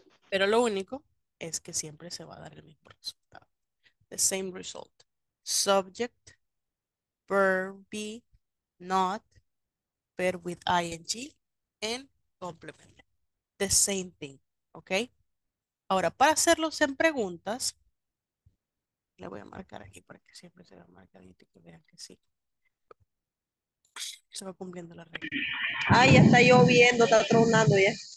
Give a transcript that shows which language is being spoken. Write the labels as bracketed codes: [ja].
[es] Pero lo único es que siempre se va a dar el mismo resultado. [en] The same result. Subject, verb be, not, verb with ing, and complement. The same thing. ¿Ok? [es] Ahora, para hacerlos en preguntas, le voy a marcar aquí para que siempre se vea marcadito y que vean que sí. Se va cumpliendo la regla. Ay, ya está lloviendo, está tronando ya.